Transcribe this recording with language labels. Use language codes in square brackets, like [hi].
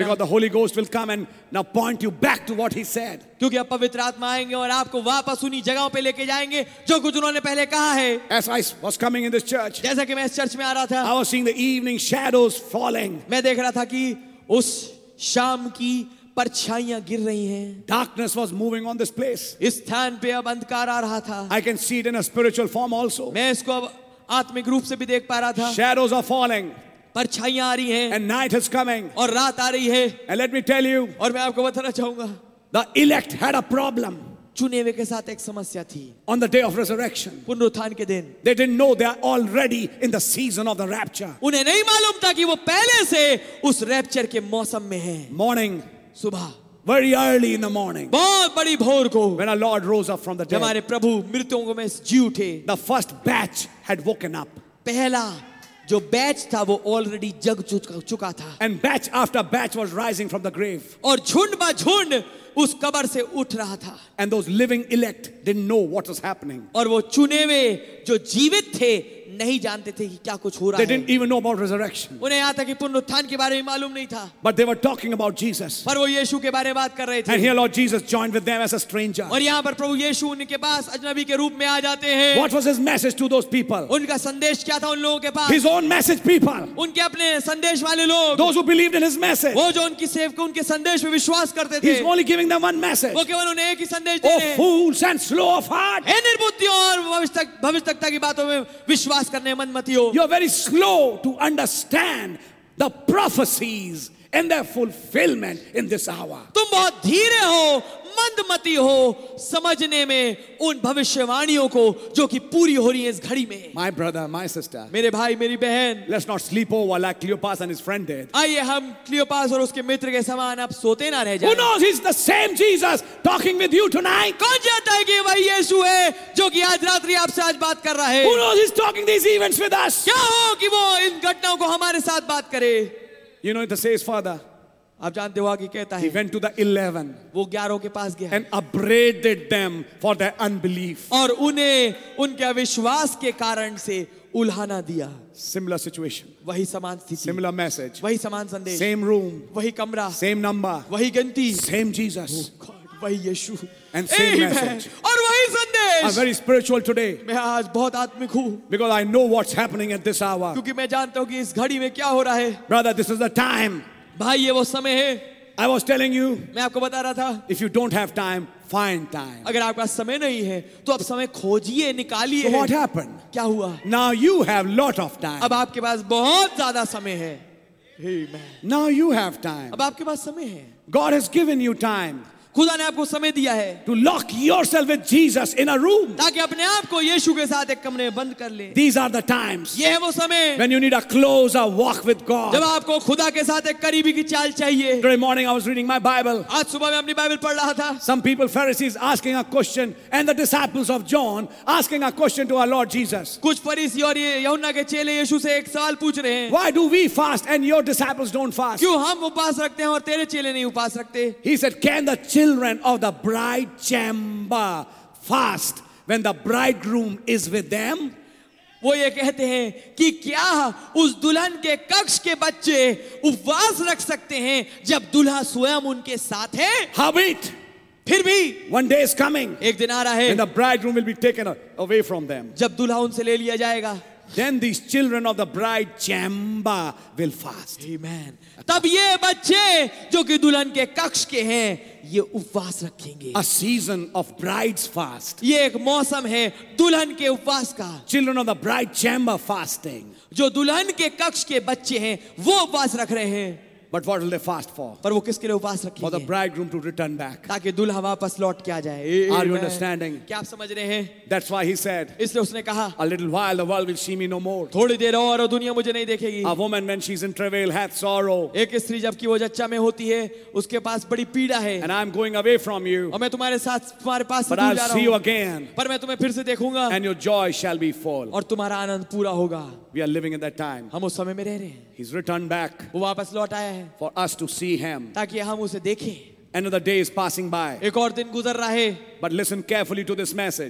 [en] Because the Holy Ghost will come and now point you back to what He said. [hi] क्योंकि अब पवित्र आत्मा आएंगे और आपको वापस उन्हीं जगहों पे लेके जाएंगे जो कुछ उन्होंने पहले कहा है. [en] As I was coming in this church. [hi] जैसा कि मैं इस चर्च में आ रहा था. [en] I was seeing the evening shadows falling. [hi] मैं देख रहा था कि उस शाम की परछाइयां गिर रही हैं. [en] Darkness was moving on this place. [hi] इस स्थान पे अब अंधकार आ रहा था. [en] I can see it in a spiritual form also. [hi] मैं इसको आत्मिक रूप से भी देख पा रहा था. [en] Shadows are falling. [hi] परछाइयां आ रही हैं. [en] And night is coming. [hi] और रात आ रही है. [en] And let me tell you. [hi] और मैं आपको बताना चाहूंगा. [en] The elect had a problem. [hi] चुने हुए के साथ एक समस्या थी. [en] On the day of resurrection. [hi] पुनरुत्थान के दिन. [en] They didn't know they are already in the season of the rapture. [hi] उन्हें नहीं मालूम था कि वो पहले से उस रैप्चर के मौसम में हैं. [en] Morning. [hi] सुबह. [en] Very early in the morning. [hi] बहुत बड़ी भोर को. [en] When our Lord rose up from the dead. [hi] हमारे प्रभु मृत्युओं में से जी उठे. [en] The first batch had woken up. [hi] पहला जो बैच था वो [en] already [hi] जग चुका था. [en] And batch after batch was rising from the grave. [hi] और झुंड बा झुंड उस कब्र से उठ रहा था. [en] And those living elect didn't know what was happening. [hi] और वो चुने हुए जो जीवित थे नहीं जानते थे कि क्या कुछ हो रहा है. [en] They didn't even know about resurrection. [hi] उन्हें यहाँ तक कि पुनरुत्थान के बारे में मालूम नहीं था. [en] But they were talking about Jesus. [hi] पर वो यीशु के बारे में बात कर रहे थे. [en] And here Lord Jesus joined with them as a stranger. [hi] और यहाँ पर प्रभु यीशु उनके पास अजनबी के रूप में आ जाते हैं. [en] What was his message to those people? [hi] उनका संदेश क्या था उन लोगों के पास? [en] His own message people. [hi] उनके अपने संदेश वाले लोग. [en] Those who believed in his message. [hi] वो जो उनकी सेवक उनके संदेश में विश्वास करते थे. [en] He's only giving them one message. [hi] वो केवल उन्हें एक ही संदेश दे रहे हैं. [en] Oh fools and slow of heart. [hi] हे निर्बुद्धियों और भविष्यवक्ता की बातों में विश्वास करने मन मत हो. [en] You are very slow to understand the prophecies and their fulfillment in this hour. [hi] तुम बहुत धीरे हो, मंद मति हो समझने में उन भविष्यवाणियों को जो कि पूरी हो रही है इस घड़ी में. [en] My brother, my sister. [hi] मेरे भाई, मेरी बहन. [en] Let's not sleep over like Cleopas and his friend did. [hi] आइए हम क्लियोपास और उसके मित्र के समान अब सोते ना रह जाएं. [en] Who knows? He's the same Jesus talking with you tonight. [hi] कौन जानता है कि वही यीशु है जो कि आज रात्रि आपसे आज बात कर रहा है. [en] Who knows? He's talking these events with us. [hi] क्या हो कि वो इन घटनाओं को हमारे साथ बात करे. [en] You know, it says, Father. [hi] आप जानते हो आगे कहता है. [en] He went to the 11. [hi] वो 11 के पास गया. [en] And upbraided them for their unbelief. [hi] और उन्हें उनके अविश्वास के कारण से उल्हाना दिया. [en] Similar situation. [hi] वही समान स्थिति. [en] Similar message. [hi] वही समान संदेश. [en] Same room. [hi] वही कमरा. [en] Same number. [hi] वही गिनती. [en] Same Jesus. [hi] वही यीशु. [en] And same Amen. Message. [hi] और वही संदेश. [en] I'm very spiritual today. [hi] मैं आज बहुत आत्मिक हूँ. [en] Because I know what's happening at this hour. [hi] क्योंकि मैं जानता हूँ कि इस घड़ी में क्या हो रहा है. [en] Brother, this is the time. [hi] भाई ये वो समय है. [en] I was telling you. [hi] मैं आपको बता रहा था. [en] If you don't have time, find time. [hi] अगर आपके पास समय नहीं है तो आप समय खोजिए, निकालिए. [en] So what happened? [hi] क्या हुआ? [en] Now you have lot of time. [hi] अब आपके पास बहुत ज्यादा समय है. [en] Amen. Now you have time. [hi] अब आपके पास समय है. [en] God has given you time. [hi] खुदा ने आपको समय दिया है. [en] To lock yourself with Jesus in a room. [hi] ताकि अपने आप को यीशु के साथ एक कमरे में बंद कर ले. [en] These are the times. [hi] ये है वो समय. [en] When you need a closer walk with God. [hi] जब आपको खुदा के साथ एक करीबी की चाल चाहिए. [en] Today morning I was reading my Bible. [hi] आज सुबह मैं अपनी बाइबल पढ़ रहा था. [en] Some people, Pharisees, asking a question, and the disciples of John asking a question to our Lord Jesus. [hi] कुछ फरीसी और यूहन्ना के चेले यीशु से एक सवाल पूछ रहे हैं. [en] Why do we fast and your disciples don't fast? [hi] क्यों हम उपवास रखते हैं और तेरे चेले नहीं उपवास रखते? [en] He said, Can the children of the bride chamber fast when the bridegroom is with them? [hi] वो ये कहते हैं कि क्या उस दुल्हन के कक्ष के बच्चे उपवास रख सकते हैं जब दूल्हा स्वयं उनके साथ है? हबीट फिर भी [en] one day is coming [hi] एक दिन आ रहा है [en] when the bridegroom will be taken away from them [hi] जब दूल्हा उनसे ले लिया जाएगा. [en] Then these children of the bride chamber will fast. Amen. [hi] तब ये बच्चे जो कि दुल्हन के कक्ष के हैं ये उपवास रखेंगे. [en] A season of bride's fast. [hi] ये एक मौसम है दुल्हन के उपवास का. [en] Children of the bride chamber fasting. [hi] जो दुल्हन के कक्ष के बच्चे हैं वो उपवास रख रहे हैं. [en] But what will they fast for? [hi] पर वो किसके लिए उपवास रखेंगे? [en] For the bridegroom to return back. [hi] ताकि दूल्हा वापस लौट के आ जाए. [en] Are you understanding? [hi] क्या आप समझ रहे हैं? [en] That's why he said. [hi] इसलिए उसने कहा. [en] A little while the world will see me no more. [hi] थोड़ी देर और दुनिया मुझे नहीं देखेगी. [en] A woman when she's in travail hath sorrow. [hi] एक स्त्री जबकि वो जच्चा में होती है उसके पास बड़ी पीड़ा है. [en] And I'm going away from you. [hi] और मैं तुम्हारे साथ तुम्हारे पास [en] But I'll see you again. [hi] पर मैं तुम्हें फिर से देखूंगा. [en] And your joy shall be full. [hi] और तुम्हारा आनंद पूरा होगा. [en] We are living in that time. [hi] हम उस समय में रह रहे हैं. [en] He's returned back. [hi] वो वापस लौट आया है. [en] For us to see him. [hi] ताकि हम उसे देखें. [en] Another day is passing by. [hi] एक और दिन गुजर रहा है. [en] But listen carefully to this message.